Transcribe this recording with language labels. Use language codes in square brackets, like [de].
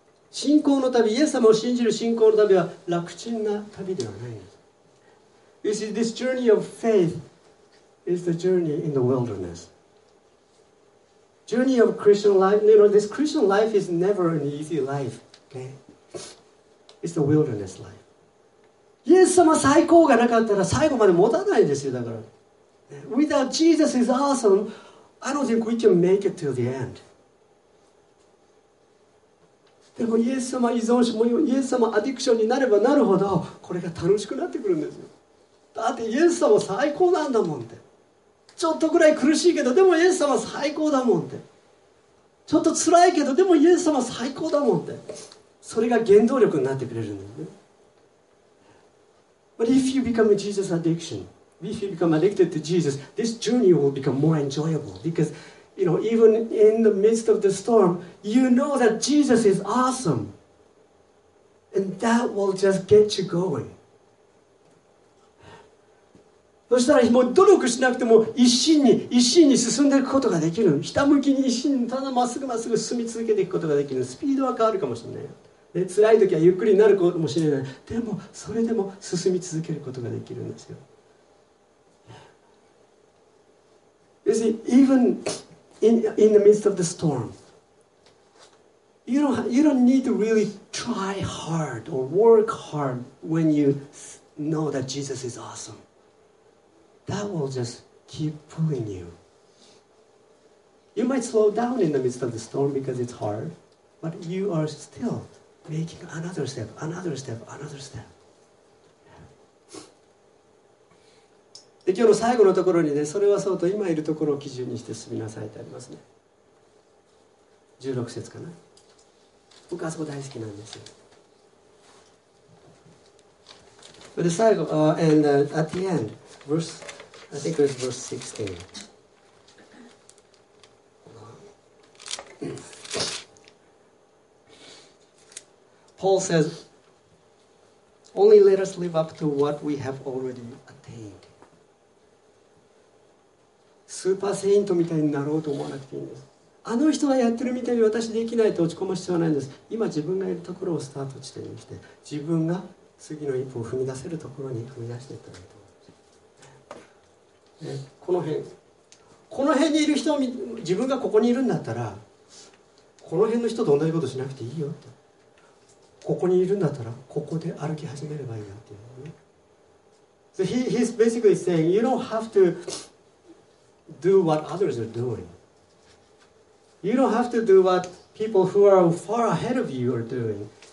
[ja] 信仰の旅、イエス様を信じる信仰の旅は楽ちんな旅ではないんです。 [en] You see, this journey of faith is the journey in the wilderness. Journey of Christian life, you know, this Christian life is never an easy life, okay? It's the wilderness life. [ja] イエス様最高がなかったら最後まで持たないんですよ、だから。 [en] Without Jesus is awesome, I don't think we can make it till the end. [ja] でもイエス様依存症、イエス様アディクションになればなるほどこれが楽しくなってくるんですよ。だってイエス様最高なんだもんって、ちょっとくらい苦しいけどでもイエス様最高だもんって、ちょっとつらいけどでもイエス様最高だもんって、それが原動力になってくれるんだよね。 [en] But if you become a Jesus addiction, if you become addicted to Jesus, this journey will become more enjoyable becauseYou know, even in the midst of the storm, you know that Jesus is awesome. And that will just get you going. [ja] そしたらもう努力しなくても一心に進んでいくことができる。ひたむきに一心にただまっすぐまっすぐ進み続けていくことができる。スピードは変わるかもしれない。で、辛い時はゆっくりになるかもしれない。でも、それでも進み続けることができるんですよ。 [en] You see, evenIn the midst of the storm, you don't need to really try hard or work hard when you know that Jesus is awesome. That will just keep pulling you. You might slow down in the midst of the storm because it's hard, but you are still making another step, another step, another step. [ja] で、今日の最後のところにね、それはそうと今いるところを基準にして進みなさいってありますね。16節かな。僕はそこ大好きなんですよ。で、最後、 [en] and at the end, verse, I think it was verse 16. Paul says, Only let us live up to what we have already attained. [ja] スーパーセイントみたいになろうと思わなくていいんです。あの人がやってるみたいに私できないと落ち込む必要はないんです。今自分がいるところをスタート地点にして、自分が次の一歩を踏み出せるところに踏み出していったらいいと思います。この辺にいる人を見、自分がここにいるんだったらこの辺の人と同じことしなくていいよって、ここにいるんだったらここで歩き始めればいいよっていう、ね、 [en] So he's basically saying you don't have toDo what others are doing. You don't have to do what people who are far ahead of you are doing.